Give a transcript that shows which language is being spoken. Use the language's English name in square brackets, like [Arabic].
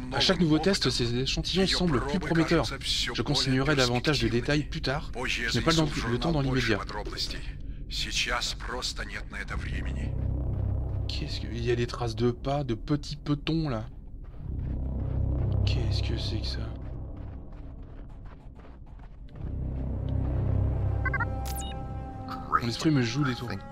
[French] À chaque nouveau test, ces échantillons semblent plus prometteurs. Je continuerai davantage de détails plus tard. Je n'ai pas le temps dans l'immédiat. [Russian] Сейчас просто нет на это времени. [French] Qu'est-ce qu'il y a des traces de pas, de petits petons là. Qu'est-ce que c'est que ça? Mon esprit me joue des tours.